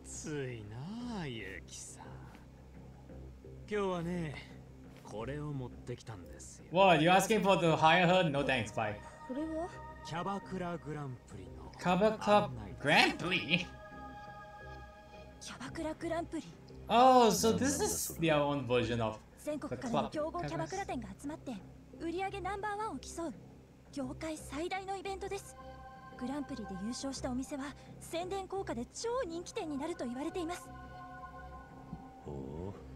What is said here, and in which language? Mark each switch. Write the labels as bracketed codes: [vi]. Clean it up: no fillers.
[ja] お断りです。うん、釣れないね。ま、そんなところが君の可愛いところだけどね。神崎君。今日は何の用?また邪魔でもしに来たのかしら?きついな、ゆきさん。今日はね、これを持ってきたんですよ。 [en] What? You asking for to hire her? No thanks, bye. [ja] これは? キャバクラグランプリの。キャバクラグランプリ? キャバクラグランプリ? [en] Oh, so this is their own version of the club. [ja] 全国から競合キャバクラ店が集まって、売り上げナンバーワンを競う業界最大のイベントです。グランプリで優勝したお店は宣伝効果で超人気店になると言われています。おお。